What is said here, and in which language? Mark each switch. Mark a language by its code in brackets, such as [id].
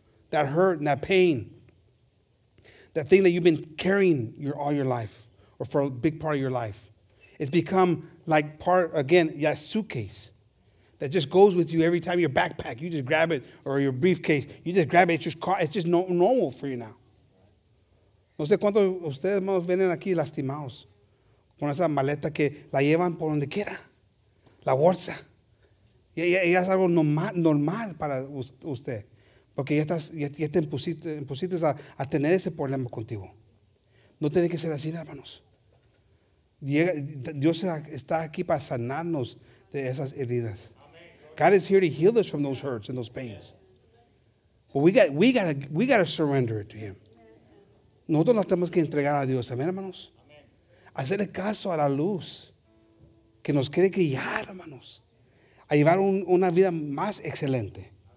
[en] That hurt and that pain. That thing that you've been carrying your all your life or for a big part of your life. It's become like part, again, that suitcase that just goes with you every time. Your backpack, you just grab it, or your briefcase, you just grab it. It's just normal for you now. [es] No sé cuántos de ustedes, hermanos, vienen aquí lastimados con esa maleta que la llevan por donde quiera. La bolsa. Ya es algo normal para usted. Porque ya te impusiste a tener ese problema contigo. No tiene que ser así, hermanos. Dios está aquí para sanarnos de esas heridas. [en] God is here to heal us from those hurts and those pains. But we got to surrender it to Him. [es] Nosotros las tenemos que entregar a Dios, amén, hermanos. Hacerle caso a la luz que nos quiere guiar, hermanos, a llevar una vida más excelente.